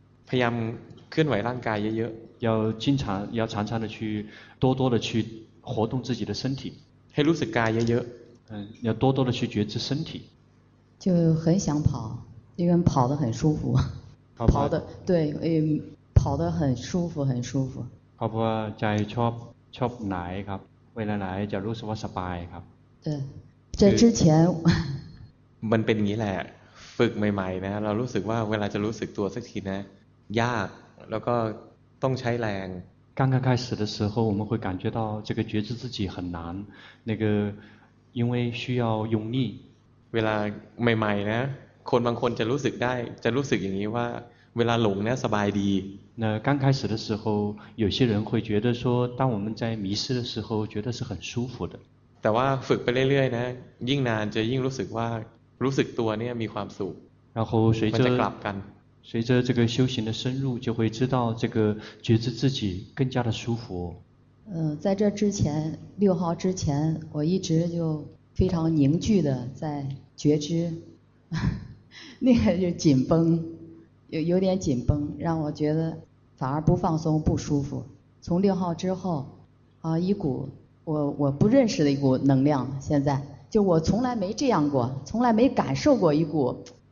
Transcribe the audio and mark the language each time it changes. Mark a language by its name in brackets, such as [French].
[Thai] พยายามเคลื่อนไหวร่างกายเยอะ ๆ。 [Chinese] 要经常，要常常的去多多的去活动自己的身体。 [Thai] ให้รู้สึกกายเยอะ [Chinese] ๆ。 要多多的去觉知身体。就很想跑，因为跑得很舒服。跑的对，跑得很舒服，很舒服。 [Thai] ครับว่าใจชอบไหนครับเวลาไหนจะรู้สึกว่าสบายครับ [Chinese] 对，这之前 [Thai] มันเป็นอย่างนี้แหละฝึกใหม่ๆนะเรารู้สึกว่าเวลาจะรู้สึกตัวสักทีนะยากแล้วก็ต้องใช้แรง [Chinese] 刚开始的时候我们会感觉到这个觉知自己很难那个因为需要用力 [Thai] เวลาใหม่ๆนะคนบางคนจะรู้สึกได้จะรู้สึกอย่างนี้ว่าเวลาหลงเนี่ยสบายดี [Chinese] 那刚开始的时候有些人会觉得说当我们在迷失的时候觉得是很舒服的 [Thai] แต่ว่าฝึกไปเรื่อยๆนะยิ่งนานจะยิ่งรู้สึกว่ารู้สึกตัวเนี่ยมีความสุข [Chinese] 然后随着 [Thai] มันจะกลับกัน [Chinese] 随着这个修行的深入就会知道这个觉知自己更加的舒服在这之前六号之前我一直就非常凝聚的在觉知那个就紧绷有点紧绷让我觉得反而不放松不舒服从六号之后一股我不认识的一股能量现在就我从来没这样过从来没感受过一股